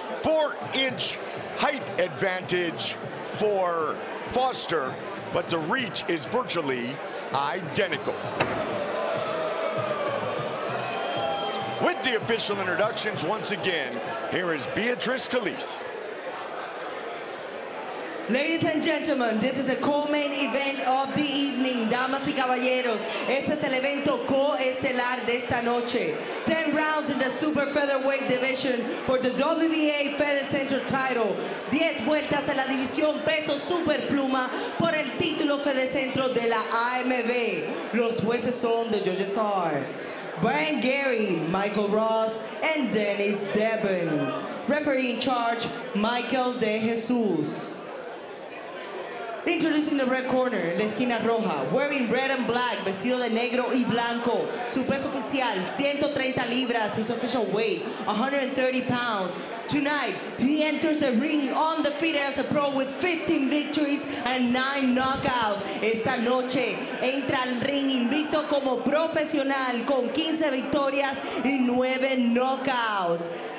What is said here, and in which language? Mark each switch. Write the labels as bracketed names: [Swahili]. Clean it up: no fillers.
[English] 4-inch height advantage for Foster, but the reach is virtually identical. With the official introductions, once again, here is Beatrice Calise. Ladies and gentlemen, this is the co-main event of the evening. [Spanish] Damas y caballeros, este es el evento co-estelar de esta noche. [English] 10 rounds in the super featherweight division for the WBA Fedecentro title. [Spanish] 10 vueltas en la división peso super pluma por el título Fedecentro de la AMB. Los jueces son [English] the judges are Brian Gary, Michael Ross, and Dennis Devon. Referee in charge, Michael De Jesus. Introducing the red corner, [Spanish] La Esquina Roja, [English] wearing red and black, [Spanish] vestido de negro y blanco. Su peso oficial, 130 libras, [English] his official weight, 130 pounds. Tonight, he enters the ring undefeated as a pro with 15 victories and 9 knockouts. [Spanish] Esta noche, entra al ring invicto como profesional con 15 victorias y 9 knockouts.